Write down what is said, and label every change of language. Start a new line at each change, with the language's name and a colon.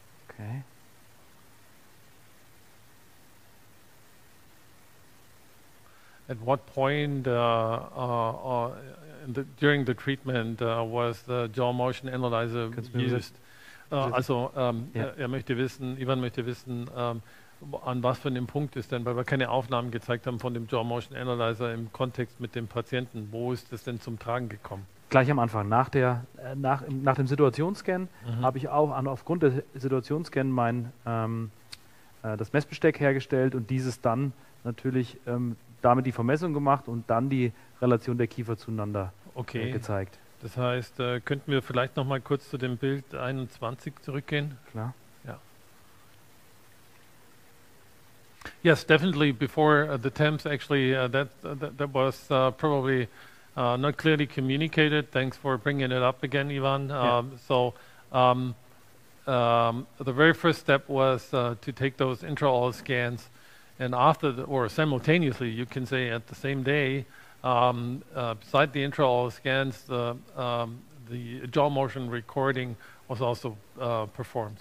English: Okay. At what point during the treatment was the jaw motion analyzer used?
German: Also, möchte wissen, Ivan möchte wissen, an was für einem Punkt ist denn, weil wir keine Aufnahmen gezeigt haben von dem Jaw Motion Analyzer im Kontext mit dem Patienten, wo ist das denn zum Tragen gekommen? Gleich am Anfang, nach dem Situationsscan, habe ich auch aufgrund des Situationsscan das Messbesteck hergestellt und dieses dann natürlich damit die Vermessung gemacht und dann die Relation der Kiefer zueinander gezeigt. Das heißt, könnten wir vielleicht noch mal kurz zu dem Bild 21 zurückgehen? Klar. Ja.
English: Yes, definitely before the temps, actually that was probably not clearly communicated. Thanks for bringing it up again, Ivan. The very first step was to take those intraoral scans, and after or simultaneously, you can say at the same day, beside the intraoral scans, the jaw motion recording was also performed.